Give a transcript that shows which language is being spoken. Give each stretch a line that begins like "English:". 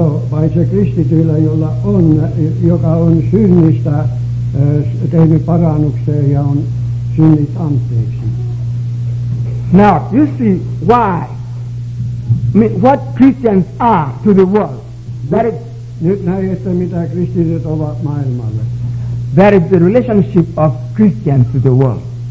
Finnish: Vai se kristityillä, joka on synnistä tehnyt parannukseen ja on synnit anteeksi.
English: Now, you see why, what Christians are to the world. That is
Finnish: Nyt näette, mitä kristityt ovat maailmalle.
English: That is the relationship of Christians to the world.